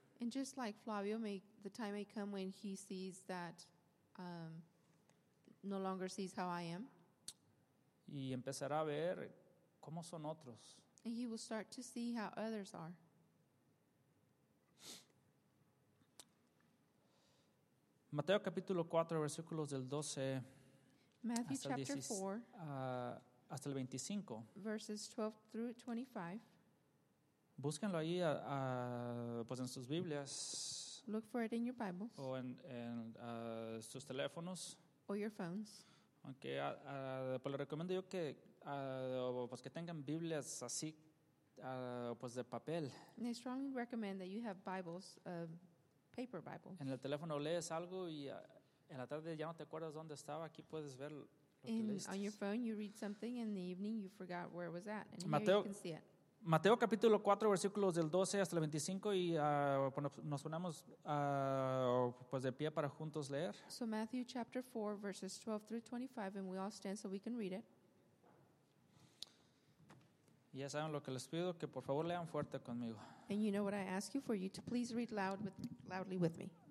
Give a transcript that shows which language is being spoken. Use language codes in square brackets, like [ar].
[en] And just like Flavio, the time may come when he sees that no longer sees how I am. [es] Y empezará a ver cómo son otros. [en] And he will start to see how others are. [es] Mateo capítulo 4, versículos del 12 [en] Matthew [es] hasta el 16, hasta el 25. [en] Verses 12 through 25. [es] Búsquenlo ahí pues en sus Biblias. [en] Look for it in your Bibles. [es] O en sus teléfonos. [en] Or your phones. [es] Aunque pues le recomiendo yo que pues que tengan Biblias así pues de papel. [en] And I strongly recommend that you have Bibles, paper Bibles. [es] En el teléfono lees algo y en la tarde ya no te acuerdas dónde estaba, aquí puedes ver lo [en] and [es] que leíste. [en] On your phone you read something and in the evening you forgot where it was at and Mateo, here you can see it. [es] Mateo capítulo 4 versículos del 12 hasta el 25 y nos ponemos pues de pie para juntos leer. [en] So Matthew chapter 4 verses 12 through 25 and we all stand so we can read it. [es] Ya saben lo que les pido, que por favor lean fuerte conmigo. [en] And you know what I ask you for you to please read loudly with me.